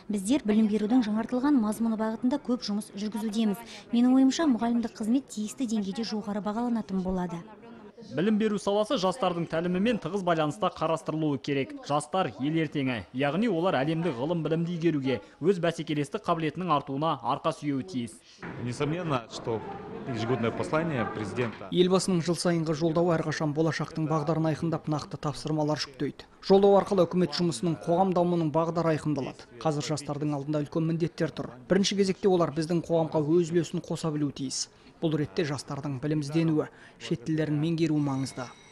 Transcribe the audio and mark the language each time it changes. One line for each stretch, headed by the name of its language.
Kazakh: Біздер білім берудің жаңартылған мазмұны бағытында көп жұмыс жүргізудеміз. Менің ойымша мұғалімдік қызмет тиісті деңгейде жоғары бағаланатын болады. Білім беру саласы жастардың тәлімімен тығыз байланыста қарастырылуы керек. Жастар ел ертеңі, яғни олар әлемді ғылым білімді игеруге, өз бәсекелестік қабілетінің артуына арқа сүйеуі тиіс.
Russian: Несомненно, что ежегодное послание президента.
Kazakh: Елбасының жыл сайынғы жолдауы әрқашан болашақтың бағдарын айқындап нақты тапсырмалар жүктейді. Жолдау арқылы үкімет жұмысының қоғам дамуының бағдары айқындалады. Қазір жастардың алдында үлкен міндеттер тұр. Бірінші кезекте олар біздің қоғамға өз үлесін қоса білуі тиіс. Бұл ретте жастардың білімізденуі, шет тілдерін меңгеру маңызды.